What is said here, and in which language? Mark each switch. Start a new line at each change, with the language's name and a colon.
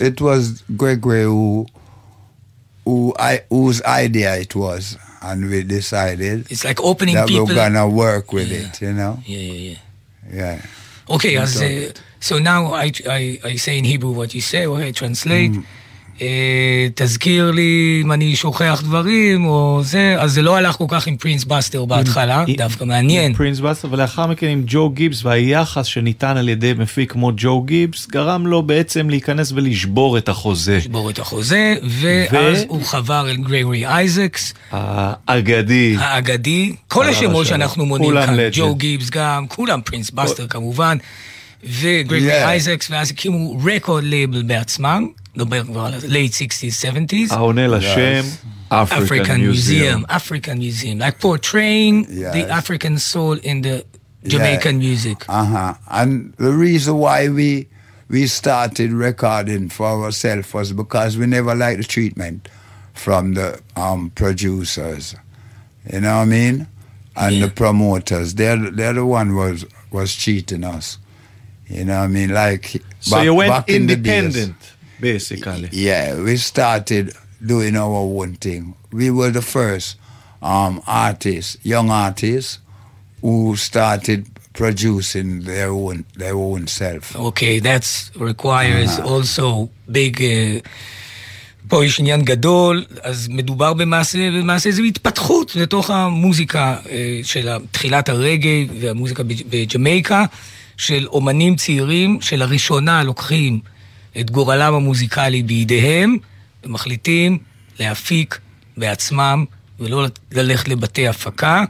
English: It was Greg Ray whose idea it was. And we decided it's like opening that people we're going to work with it, you know? Yeah. Okay, so now I say in Hebrew what you say, or I translate.
Hebrew: תזכיר לי אם אני שוכח דברים או זה, אז זה לא הלך כל כך עם פרינס בסטר בהתחלה, דווקא מעניין. עם פרינס בסטר, ולאחר מכן עם ג'ו גיבס, והיחס שניתן על ידי מפיק כמו ג'ו גיבס, גרם לו בעצם להיכנס ולשבור את החוזה. לשבור את החוזה, ואז הוא חבר אל גרגורי אייזקס. האגדי. כל השמות שאנחנו מונים כאן, ג'ו גיבס גם, כולם פרינס בסטר כמובן, וגרגורי אייזקס, ואז הקימו רקורד לייבל בעצמם. נדבר כבר על
English: late 60s, 70s.
Hebrew: העונה לשם,
English: African Museum. African Museum. Like portraying the African soul in the Jamaican music. Uh-huh. And the reason why we started recording for ourselves was because we never liked the treatment from the producers. You know what I mean? And the promoters. They're the one was cheating us. You know what I mean? Like, so you went independent. Basically. Yeah, we started doing our own thing. We were the first young artists who started producing their own self. Okay, that requires also big
Hebrew: פה יש עניין גדול, אז מדובר במעשה איזו התפתחות לתוך המוזיקה של תחילת הרגי והמוזיקה בג'מייקה, של אומנים צעירים שלראשונה לוקחים את גורלם המוזיקלי בידיהם, ומחליטים להפיק בעצמם, ולא ללכת לבתי הפקה.